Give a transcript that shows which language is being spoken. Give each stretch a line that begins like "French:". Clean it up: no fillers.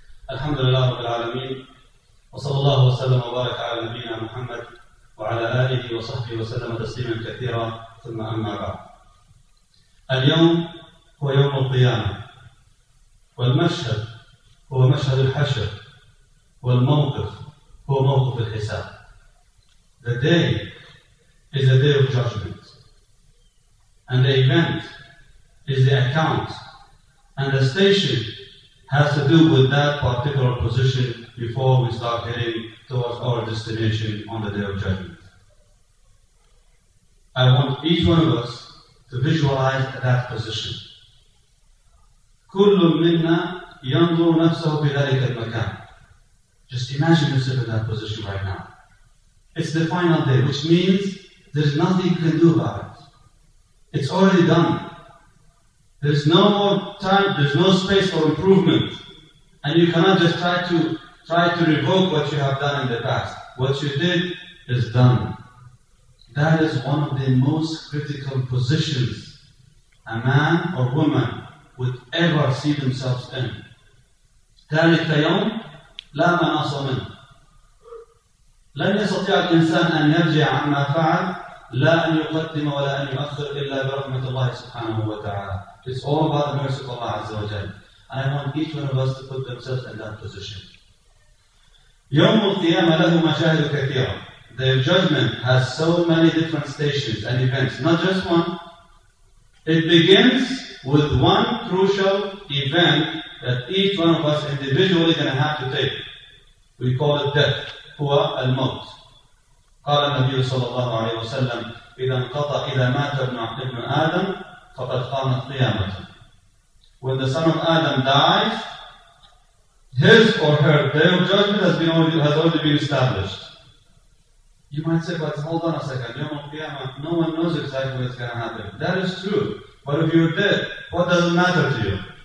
Arabic: الحمد لله رب العالمين، وصلى الله وسلم وبارك على نبينا محمد وعلى آله وصحبه وسلم تسليما كثيرا، ثم أما بعد. اليوم هو يوم القيامة، والمشهد هو مشهد الحشر، والموقف هو موقف الحساب.
English: The day is a day of judgment, and the event is the account, and the station has to do with that particular position before we start heading towards our destination on the Day of Judgment. I want each one of us to visualize that position.
Arabic: كُلُّ مِنَّا يَنْظُرُ نَفْسَهُ بِذَلِكَ الْمَكَانِ.
English: Just imagine yourself in that position right now. It's the final day, which means there's nothing you can do about it. It's already done. There's no more time, there's no space for improvement. And you cannot just try to revoke what you have done in the past. What you did is done. That is one of the most critical positions a man or woman would ever see themselves in.
Arabic: ذلك يوم لا مناص منه. لن يستطيع الإنسان أن يرجع عما فعل لا أن يقدم ولا أن يؤخر إلا برحمة الله سبحانه وتعالى.
English: It's all about the mercy of Allah Azza wa Jal. And I want each one of us to put themselves in that position.
Arabic: يوم القيامة له مشاهد كثيرة.
English: The judgment has so many different stations and events, not just one. It begins with one crucial event that each one of us individually is going to have to take. We call it death.
Arabic: هو الموت. قال النبي صلى الله عليه وسلم إذا مات ابن آدم فقد قامت قيامته.
English: When the son of Adam dies, his or her day of judgment has already been established. You might say, but hold on a second,
Arabic: يوم القيامة,
English: no one knows exactly what's going to happen. That is true. But if you're dead, what does it matter to you?